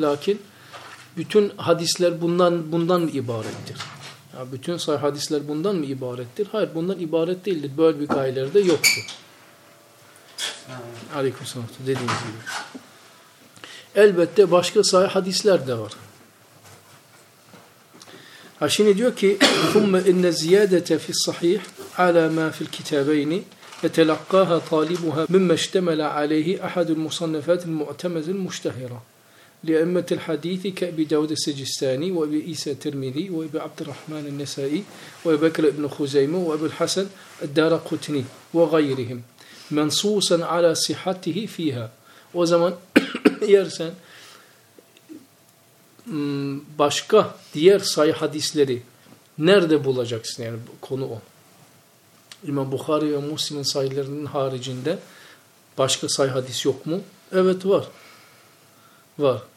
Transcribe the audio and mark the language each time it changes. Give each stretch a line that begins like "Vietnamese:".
Turkish: Lakin bütün hadisler bundan mı ibarettir? Ya bütün sahih hadisler bundan mı ibarettir? Hayır, bundan ibaret değildir. Böyle bir gayeler de yoktu. Aleykümselam. Dediğiniz gibi. Elbette başka sahih hadisler de var. Ha şimdi diyor ki
Arabic: ثُمَّ اِنَّ زِيَادَةَ فِي الصَّحِيحِ عَلَى مَا فِي الْكِتَابَيْنِ يَتَلَقَّاهَا طَالِبُهَا مِمَّ اشْتَمَلَ عَلَيْهِ اَحَدُ الْمُصَنَّفَاتِ الْمُؤْتَمَزِ الْمُشْتَهِرَةِ لأمة الحديث كأبي داود السجستاني وأبي إيسى الترمذي وأبي عبد الرحمن النسائي وأبي بكر بن خزيمة وأبي الحسن الدارقطني وغيرهم منصوصا على صحته فيها. وزمان يرسن
Turkish: başka diğer sahih hadisleri nerede bulacaksın, yani konu o. İmam Bukhari ve Müslim'in sahihlerinin haricinde başka sahih hadis yok mu? Evet, var. Var.